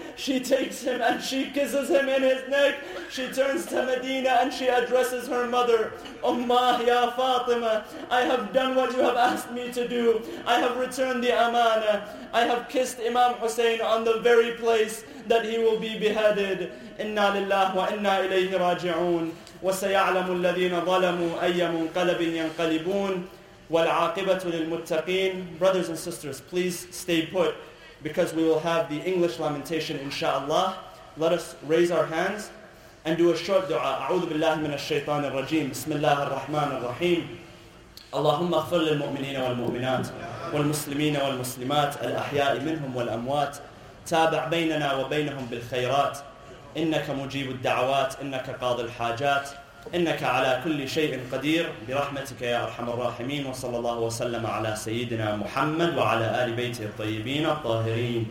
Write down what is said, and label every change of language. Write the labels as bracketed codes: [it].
[en] She takes him and she kisses him in his neck. She turns to Medina and she addresses her mother. Ummah ya Fatima, I have done what you have asked me to do. I have returned the amana. I have kissed Imam Hussein on the very place that he will be beheaded. [ar] Inna lillahi wa inna ilayhi raji'un. وسيعلم الذين ظلموا أي منقلب ينقلبون والعاقبة للمتقين. [en] Brothers and sisters, please stay put because we will have the English lamentation inshallah. Let us raise our hands and do a short dua. [ar] أعوذ بالله من الشيطان الرجيم. بسم الله الرحمن الرحيم. اللهم اغفر للمؤمنين والمؤمنات والمسلمين والمسلمات الأحياء منهم والأموات. تابع بيننا وبينهم بالخيرات. إنك مجيب الدعوات إنك قاضي الحاجات إنك على كل شيء قدير برحمتك يا أرحم الراحمين وصلى الله وسلم على سيدنا محمد وعلى آل بيته الطيبين الطاهرين.